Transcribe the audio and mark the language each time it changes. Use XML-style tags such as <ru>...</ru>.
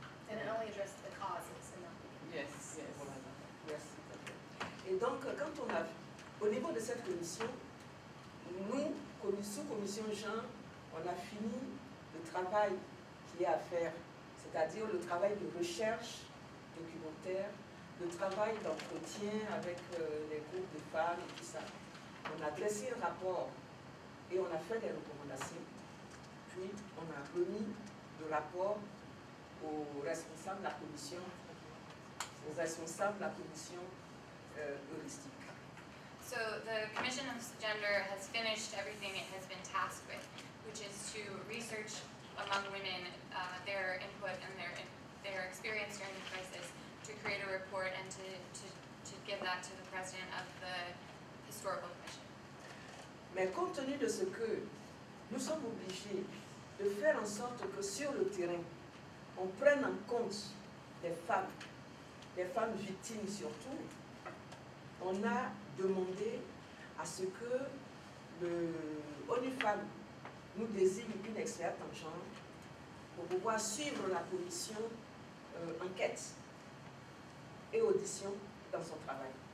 <en>And it only addressed the causes and not the issues. Yes, yes.</en> <fr>Et donc, quand on a, au niveau de cette commission, nous, sous-commission Jean, on a fini le travail qu'il y a à faire, c'est-à-dire le travail de recherche documentaire, le travail d'entretien avec les groupes de femmes et tout ça. On a dressé un rapport et on a fait des recommandations. Puis, on a remis le rapport aux responsables de la commission heuristique.</fr> <en>So the Commission of Gender has finished everything it has been tasked with, which is to research among women their input and their experience during the crisis, to create a report and to give that to the president of the historical commission.</en> <fr>Mais compte tenu de ce que nous sommes obligés de faire en sorte que sur le terrain, on prenne en compte les femmes victimes surtout, on a demander à ce que l'ONU Femmes nous désigne une experte en genre pour pouvoir suivre la commission enquête et audition dans son travail.</fr>